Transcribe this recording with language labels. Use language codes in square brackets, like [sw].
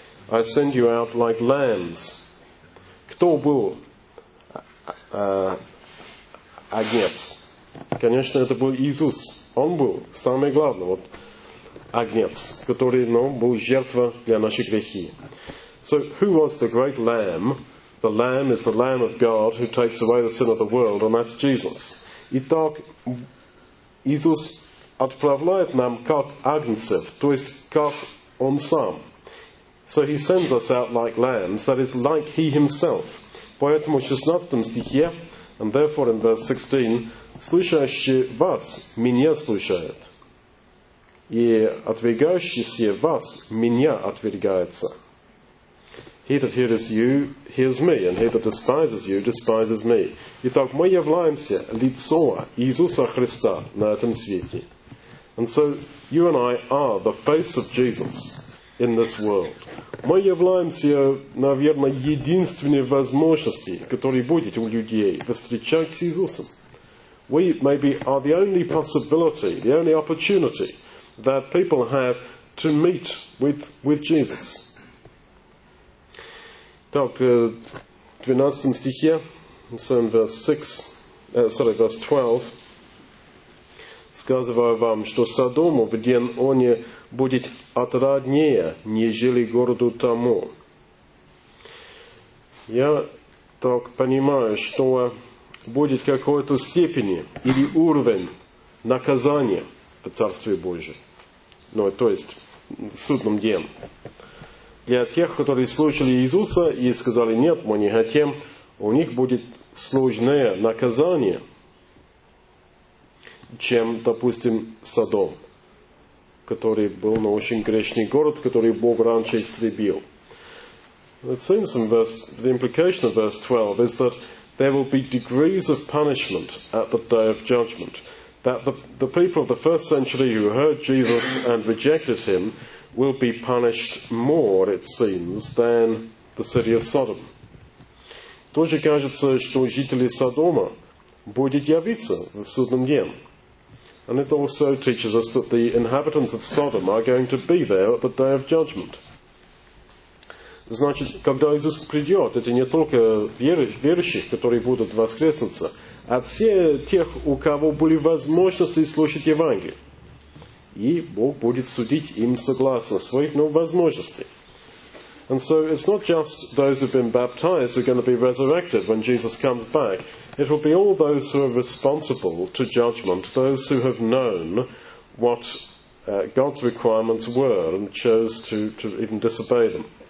[en] I send you out like lambs. [ru] Кто был агнец? Конечно, это был Иисус. Он был самый главный вот агнец, который, ну, был жертва для наших грехов. [en] So, who was the great lamb? The lamb is the lamb of God who takes away the sin of the world, and that's Jesus. [ru] Итак, Иисус отправляет нам как агнцев, то есть как он сам. [en] So he sends us out like lambs, that is, like he himself. [ru] Поэтому в 16 стихе, [en] and therefore in verse 16, [ru] слышащий вас, меня слышает. И отвергающийся вас, меня отвергается. [en] He that hears you, hears me, and he that despises you, despises me. [ru] Итак, мы являемся лицом Иисуса Христа на этом свете. [en] And so, you and I are the face of Jesus in this world. [ru] Мы являемся, наверное, единственной возможностью, которая будет у людей, встречать с Иисусом. [en] We maybe are the only possibility, the only opportunity that people have to meet with Jesus. [ru] Так, 12 стихе, [en] verse 12, [ru] сказываю вам, что Содому в день они будет отраднее, нежели городу тому. Я так понимаю, что будет какой-то степени или уровень наказания в Царстве Божьем, ну, то есть в судном день. Для тех, которые слушали Иисуса и сказали, нет, мы не хотим, у них будет сложное наказание, чем, допустим, Содом, который был, ну, очень грешный город, который Бог раньше истребил. [en] It seems in verse, the implication of verse 12 is that there will be degrees of punishment at the day of judgment, that the people of the first century who heard Jesus and rejected him will be punished more, it seems, than the city of Sodom. [ru] Тоже кажется, что жители Содома будут явиться в судном день. [en] And it also teaches us that the inhabitants of Sodom are going to be there at the day of judgment. [ru] Значит, когда Иисус придет, это не только верующих, которые будут воскреснуться, а все тех, у кого были возможности слушать Евангелие. И Бог будет судить им согласно своих, ну, возможностей. [en] And so it's not just those who've been baptized who are going to be resurrected when Jesus comes back. It will be all those who are responsible to judgment, those who have known what God's requirements were and chose to even disobey them.